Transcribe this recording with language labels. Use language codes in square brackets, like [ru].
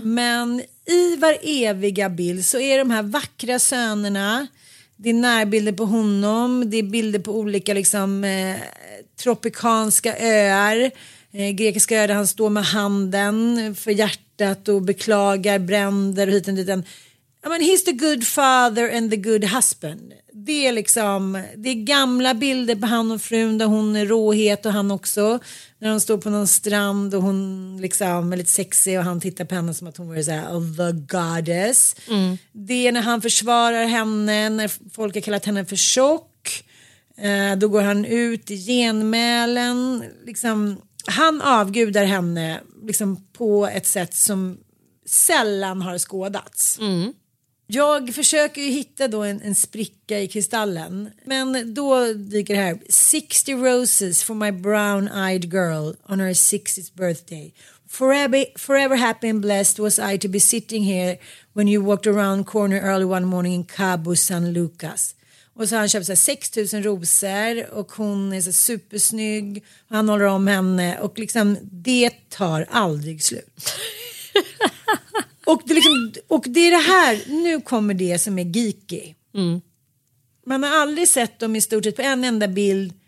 [sv] Men i var eviga bild så är de här vackra sönerna, det är närbilder på honom, det är bilder på olika liksom, tropikanska öar, grekiska öar där han står med handen för hjärtat och beklagar bränder och hit och dit. [en] I mean, he's the good father and the good husband. [sv] Det är liksom, det är gamla bilder på han och frun där hon är råhet och han också. När hon står på någon strand och hon liksom är lite sexy och han tittar på henne som att hon var så här, [en] the goddess. [sv] Mm. Det är när han försvarar henne, när folk har kallat henne för tjock. Då går han ut i genmälen. Liksom, han avgudar henne liksom, på ett sätt som sällan har skådats. Mm. Jag försöker ju hitta då en spricka i kristallen. Men då dyker det här. [en] 60 roses for my brown-eyed girl on her 60th birthday. Forever happy and blessed was I to be sitting here when you walked around corner early one morning in Cabo San Lucas. [sv] Och så har han köpt så här 6000 rosor och hon är så supersnygg. Han håller om henne och liksom det tar aldrig slut. Och det, liksom, och det är det här, nu kommer det som är geeky. Mm. Man har aldrig sett dem i stort sett på en enda bild.